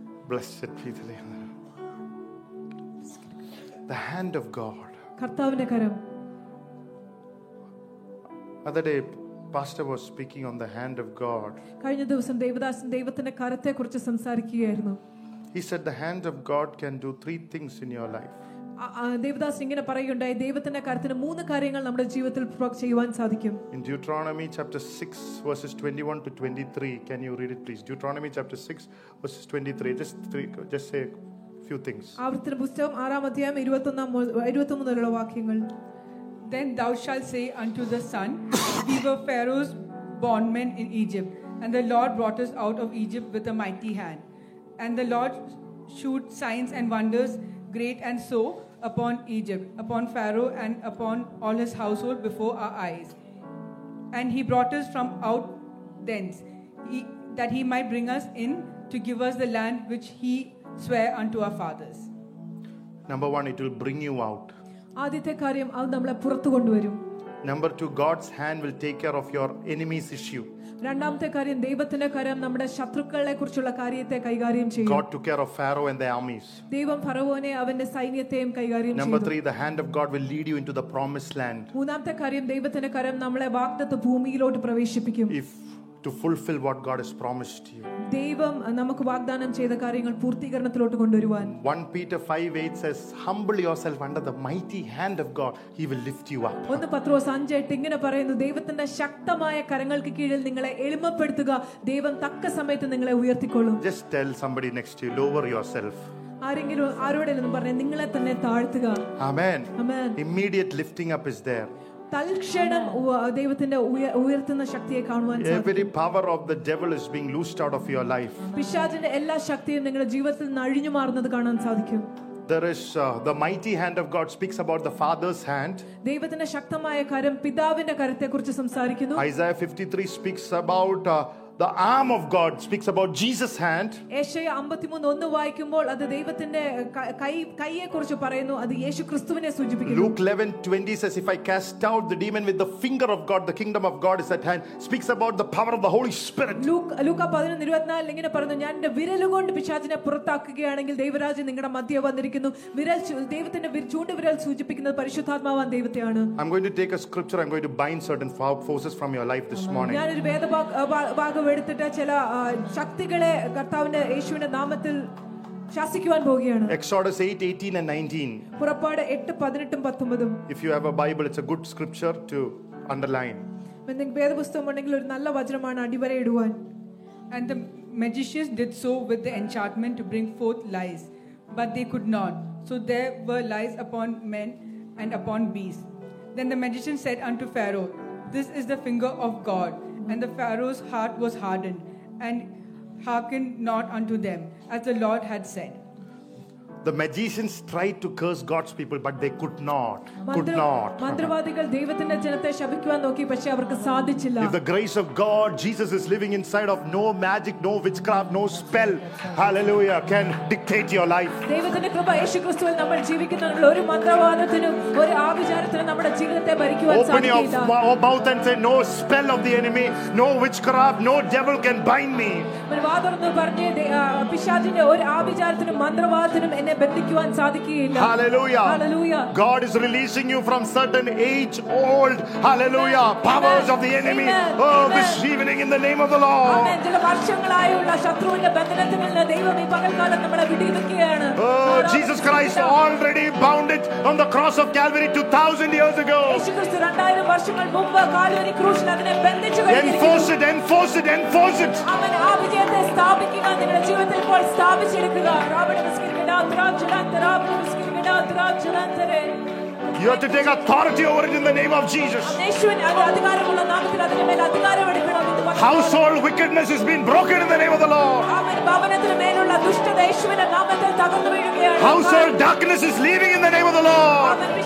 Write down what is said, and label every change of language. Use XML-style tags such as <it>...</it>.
<en>Blessed be the Lord. The hand of God.</en> <ml>കർത്താവിന്റെ കരം.</ml> <en>അതെ, pastor was speaking on the hand of God.</en> <ml>കഴിഞ്ഞ ദിവസം ദേവദാസൻ ദൈവത്തിന്റെ കരത്തെ കുറിച്ച് സംസാരിക്കുകയായിരുന്നു.</ml> <en>He said the hand of God can do 3 things in your life.</en> <ml>Devdas ഇങ്ങനെ പറയുകയുണ്ടായി, ദൈവത്തിന്റെ കരത്തിന് 3 കാര്യങ്ങൾ നമ്മുടെ ജീവിതത്തിൽ ചെയ്യുവാൻ സാധിക്കും.</ml> <en>In Deuteronomy chapter 6 verses 21 to 23, can you read it please? Deuteronomy chapter 6 verses 23, just say a few things.</en> <ml>ആവർത്തന പുസ്തകം 6-ാം അധ്യായം 21-ാം 23-ാം വാക്യങ്ങൾ.</ml> <en>Then thou shalt say unto the son, we were Pharaoh's bondmen in Egypt, and the Lord brought us out of Egypt with a mighty hand. And the Lord showed signs and wonders great and so upon Egypt, upon Pharaoh and upon all his household before our eyes. And he brought us from out thence, that he might bring us in to give us the land which he swore unto our fathers. Number 1, it will bring you out.</en> <ml>Adithe karyam avu nammale purathu kondu varum.</ml> <en>Number 2, God's hand will take care of your enemy's issue.</en> <ml>രണ്ടാമത്തെ കാര്യം, ദൈവത്തിന്റെ കരം നമ്മുടെ ശത്രുക്കളെ കുറിച്ചുള്ള കാര്യത്തെ കൈകാര്യം ചെയ്യും.</ml> <en>God took care of Pharaoh and the armies.</en> <ml>ദൈവം ഫറവോനെ അവന്റെ സൈന്യത്തെയും കൈകാര്യം ചെയ്തു.</ml> <en>Number 3, the hand of God will lead you into the promised land.</en> <ml>മൂന്നാമത്തെ കാര്യം, ദൈവത്തിന്റെ കരം നമ്മളെ വാഗ്ദത്ത ഭൂമിയിലോട്ട് പ്രവേശിപ്പിക്കും.</ml> <en>If to fulfill what God has promised you.</en> <ml>ദൈവം നമുക്ക് വാഗ്ദാനം ചെയ്ത കാര്യങ്ങൾ പൂർത്തീകരണത്തിലോട്ട് കൊണ്ടുവരുവാൻ.</ml> <en>1 Peter 5:8 says, humble yourself under the mighty hand of God, he will lift you up.</en> <ml>1 പത്രോസ് 5:8 ഇങ്ങനെ പറയുന്നു, ദൈവത്തിന്റെ ശക്തമായ കരങ്ങൾക്ക് കീഴിൽ നിങ്ങളെ എളിമപ്പെടുത്തുക, ദൈവം തക്ക സമയത്ത് നിങ്ങളെ ഉയർത്തിക്കൊള്ളും.</ml> <en>Just tell somebody next to you, lower yourself.</en> <ml>ആരെങ്കിലും ആരോടെങ്കിലും പറഞ്ഞു, നിങ്ങളെ തന്നെ താഴ്ത്തുക.</ml> <en>Amen. Amen. Immediate lifting up is there.</en> <ml>തൽക്ഷണം ദൈവത്തിന്റെ ഉയർത്തുന്ന ശക്തിയെ കാണുവാൻ സാധിക്കും.</ml> <en>Every power of the devil is being loosed out of your life.</en> <ml>പിശാചിന്റെ എല്ലാ ശക്തിയും നിങ്ങളുടെ ജീവിതത്തിൽ നിന്ന് അഴിഞ്ഞു മാറുന്നത് കാണാൻ സാധിക്കും.</ml> <en>There is the mighty hand of God speaks about the father's hand.</en> <ml>ദൈവത്തിന്റെ ശക്തമായ കരം പിതാവിന്റെ കരത്തെക്കുറിച്ച് സംസാരിക്കുന്നു.</ml> <en>Isaiah 53 speaks about the arm of God, speaks about Jesus' hand.</en> <ml>Isaiah 53:1 വായിക്കുമ്പോൾ അത് ദൈവത്തിന്റെ കൈയെക്കുറിച്ച് പറയുന്നു, അത് യേശുക്രിസ്തുവിനെ സൂചിപ്പിക്കുന്നു.</ml> <en>Luke 11:20 says, if I cast out the demon with the finger of God, the kingdom of God is at hand, speaks about the power of the Holy Spirit.</en> <ml>Luka 11:24 ഇങ്ങനെ പറയുന്നു, ഞാൻ എൻ്റെ വിരലുകൊണ്ട് പിശാചിനെ പുറത്താക്കുകയാണെങ്കിൽ ദൈവരാജ്യം നിങ്ങളുടെ മധ്യേ വന്നിരിക്കുന്നു. വിരൽ ദൈവത്തിന്റെ ചൂണ്ടു വിരൽ സൂചിപ്പിക്കുന്നത് പരിശുദ്ധാത്മാവാണ്, ദൈവത്തെയാണ്.</ml> <en>I'm going to take a scripture, I'm going to bind certain forces from your life this morning.</en> <ml>ഞാൻ ഒരു ഭാഗം എടുത്തിട്ട് ചില ശക്തികളെ കർത്താവിന്റെ യേശുവിന്റെ നാമത്തിൽ ശാസിക്കുവാൻ പോവുകയാണ്.</ml> <en>Exodus 8:18-19.</en> <ml>പുറപ്പാട് 8:18-19.</ml> <en>If you have a Bible, it's a good scripture to underline.</en> <ml>എന്തെങ്കിലും വേദപുസ്തകം ഉണ്ടെങ്കിൽ ഒരു നല്ല വചനമാണ് അടിവരയിടുവാൻ.</ml> <en>And the magicians did so with the enchantment to bring forth lies, but they could not. So there were lies upon men and upon beasts. Then the magician said unto Pharaoh, this is the finger of God. And the Pharaoh's heart was hardened and hearkened not unto them as the Lord had said. The magicians tried to curse God's people, but they could not.</en> <ml>മന്ത്രവാദികൾ ദൈവത്തിന്റെ ജനത്തെ ശപിക്കാൻ നോക്കി, പക്ഷേ അവർക്ക് സാധിച്ചില്ല.</ml> <en>If the grace of God, Jesus is living inside of, no magic, no witchcraft, no spell, hallelujah, can dictate your life.</en> <ml>ദൈവത്തിന്റെ കൃപ, യേശുക്രിസ്തുവിൽ നമ്മൾ ജീവിക്കുന്നതുകൊണ്ട് ഒരു മന്ത്രവാദത്തിനും ഒരു ആവിചാരത്തിനും നമ്മുടെ ജീവിതത്തെ ഭരിക്കുവാൻ സാധിക്കില്ല.</ml> <en>Open your mouth and say, no spell of the enemy, no witchcraft, no devil can bind me.</en> <ml>മന്ത്രവാദം എന്ന് പറഞ്ഞു പിശാചിന്റെ ഒരു ആവിചാരത്തിനും മന്ത്രവാദത്തിനും അവനെ ബന്ധിക്കുവാൻ സാധിക്കുകയില്ല.</ml> <en>Hallelujah. Hallelujah. God is releasing you from certain age old. Hallelujah. Amen. Powers of the enemy. Amen. Oh, this evening in the name of the Lord.</en> <ml>അവനെ ചില വർഷങ്ങളായുള്ള ശത്രുവിന്റെ ബന്ധനത്തിൽ നിന്ന് ദൈവം ഈ പകൽക്കാലം നമ്മളെ വിടുവിക്കുകയാണ്.</ml> <en>Oh, Jesus Christ already bound it on the cross of Calvary 2000 years ago.</en> <ml>യേശുക്രിസ്തു 2000 വർഷങ്ങൾ മുമ്പ് കാൽവരി ക്രൂശിൽ അവനെ ബന്ധിച്ചു കഴിഞ്ഞു.</ml> <en>Enforce it, enforce it, enforce it.</en> <ml>അവനെ ആ വിജയത്തെ സ്ഥാപിക്കുക, നിങ്ങളുടെ ജീവിതത്തിൽ ഇപ്പോൾ സ്ഥാപിച്ചെടുക്കുക.</ml> <en>You have to take authority over it in the name of Jesus. Household wickedness has been broken in the name of the Lord. Household darkness is leaving in the name of the Lord.</en>